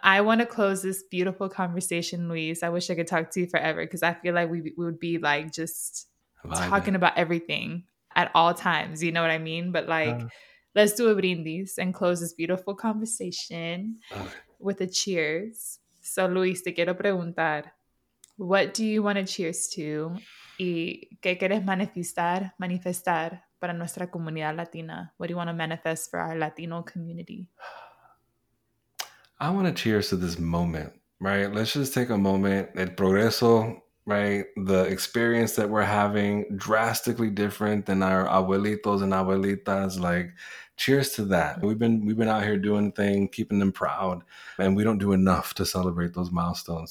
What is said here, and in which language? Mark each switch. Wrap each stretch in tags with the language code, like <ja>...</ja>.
<en>I want to close this beautiful conversation, Luis. I wish I could talk to you forever because I feel like we would be like just talking about everything at all times. You know what I mean? But like, let's do a brindis and close this beautiful conversation with a cheers. So Luis,</en> <es>te quiero preguntar,</es> <en>what do you want to cheers to?</en> <es>¿Y qué quieres manifestar para nuestra comunidad latina?</es> <en>What do you want to manifest for our Latino community? I want to cheers to this moment, right? Let's just take a moment.</en> <es>El progreso,</es> <en>right? The experience that we're having, drastically different than our abuelitos and abuelitas. Like, cheers to that. We've been out here doing things, keeping them proud, and we don't do enough to celebrate those milestones.</en>